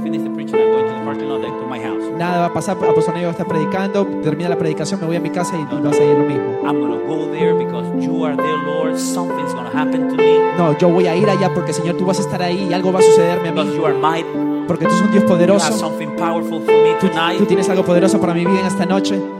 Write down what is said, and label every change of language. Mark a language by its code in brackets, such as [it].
[en] I finish the preaching. I'm going to the parking lot to my house. [es] Nada va a pasar. Pastor Neve va a estar predicando. Termina la predicación, me voy a mi casa y no, vas a ir lo mismo. [en] I'm going to go there because you are there, Lord. Something's going to happen to me. [es] No, yo voy a ir allá porque Señor, tú vas a estar ahí y algo va a sucederme a mí. [en] Because you are my. [es] Porque tú eres un Dios poderoso. [en] You have something powerful for me tonight. [es] Tú tienes algo poderoso para mi vida en esta noche.